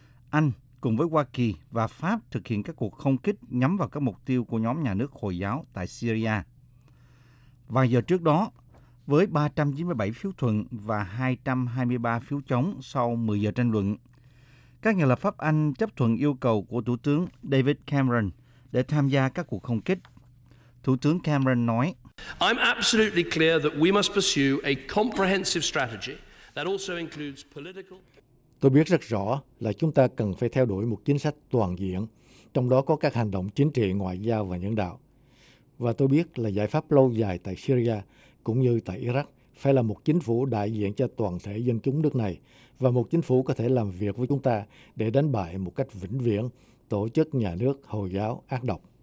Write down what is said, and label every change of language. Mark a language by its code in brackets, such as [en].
[vi] Anh cùng với Hoa Kỳ và Pháp thực hiện các cuộc không kích nhắm vào các mục tiêu của nhóm nhà nước Hồi giáo tại Syria. Vài giờ trước đó, với 397 phiếu thuận và 223 phiếu chống sau 10 giờ tranh luận, các nhà lập pháp Anh chấp thuận yêu cầu của Thủ tướng David Cameron để tham gia các cuộc không kích. Thủ tướng Cameron nói, [en] I'm absolutely clear that we must pursue a comprehensive strategy that also includes political. [vi] Tôi biết rất rõ là chúng ta cần phải theo đuổi một chính sách toàn diện, trong đó có các hành động chính trị, ngoại giao và nhân đạo. và tôi biết là giải pháp lâu dài tại Syria cũng như tại Iraq phải là một chính phủ đại diện cho toàn thể dân chúng nước này và một chính phủ có thể làm việc với chúng ta để đánh bại một cách vĩnh viễn tổ chức nhà nước Hồi giáo ác độc.